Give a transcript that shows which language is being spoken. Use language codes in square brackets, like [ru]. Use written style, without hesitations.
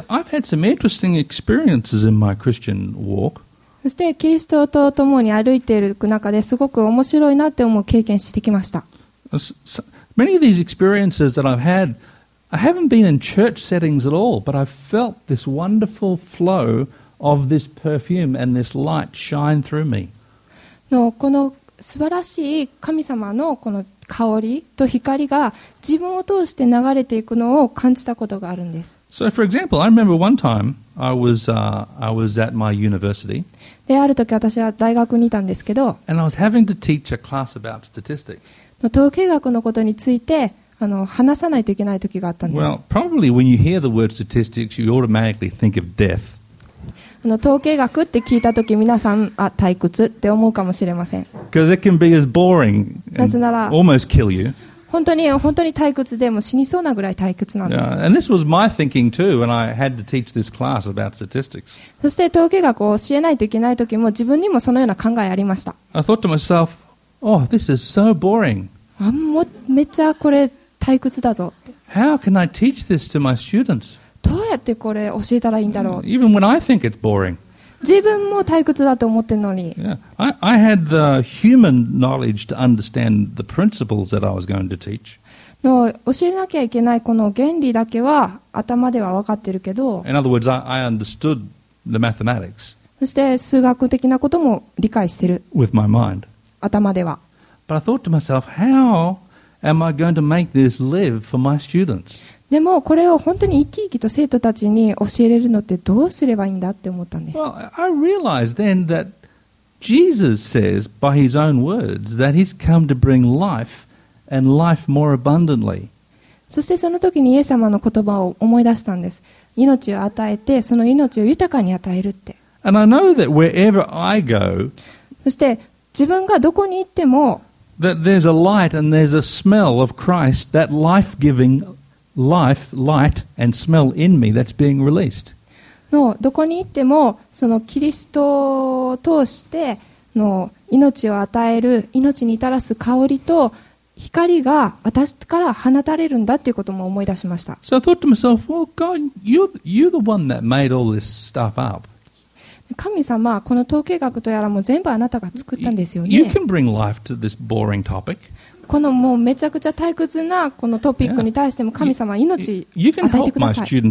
[en] So I've had some interesting experiences in my Christian walk. [ja] そしてキリストと共に歩いている中ですごく面白いなって思う経験してきました。 [en] Many of these experiences that I've had, I haven't been in church settings at all, but I've felt this wonderful flow of this perfume and this light shine through me. [ja] この素晴らしい神様のこの香りと光が自分を通して流れていくのを感じたことがあるんです。 [en] So for example, I remember one time I was at my university. [ja] で、ある時私は大学にいたんですけど、 [en] and I was having to teach a class about statistics. [ja] 統計学のことについて話さないといけない時があったんです。 [en] Well, probably when you hear the word statistics, you automatically think of death. [ja] 統計学って聞いたとき皆さん、あ、退屈って思うかもしれません。 [en] Because it can be as boring and almost kill you. [ja] 本当に退屈で、もう死にそうなぐらい退屈なんです。 [en] Yeah, and this was my thinking too when I had to teach this class about statistics. [ja] そして統計学を教えないといけないときも自分にもそのような考えありました。 [en] I thought to myself, oh, this is so boring. [ja] あ、もうめっちゃこれ退屈だぞ。 [en] How can I teach this to my students? [ja] どうやってこれ教えたらいいんだろう。 [en] Even when I think it's boring. [ja] 自分も退屈だと思ってるのに。 [en] Yeah. I had the human knowledge to understand the principles that I was going to teach. [ja] の教えなきゃいけないこの原理だけは頭では分かってるけど。 [en] In other words, I understood the mathematics. [ja] そして数学的なことも理解してる。 [en] With my mind. [ja] 頭では。 [en] But I thought to myself, how am I going to make this live for my students? [ja] でもこれを本当に生き生きと生徒たちに教えれるのってどうすればいいんだって思ったんです。 [en] Well, I realized then that Jesus says by his own words that he's come to bring life and life more abundantly. [ja] そしてその時にイエス様の言葉を思い出したんです。命を与えてその命を豊かに与えるって。 [en] And I know that wherever I go, [ja] そして自分がどこに行っても、 [en] that there's a light and there's a smell of Christ, that life-givingLife, light, and smell in me that's being released. [ja] No, どこに行ってもそのキリストを通しての命を与える命に至らす香りと光が私から放たれるんだっていうことも思い出しました。 [en] So I thought to myself, well, God, you're the one that made all this stuff up. [ja] 神様、この統計学とやらも全部あなたが作ったんですよね。 [en] You can bring life to this boring topic. [ja] このもうめちゃくちゃ退屈なこのトピックに対しても神様命与えてください。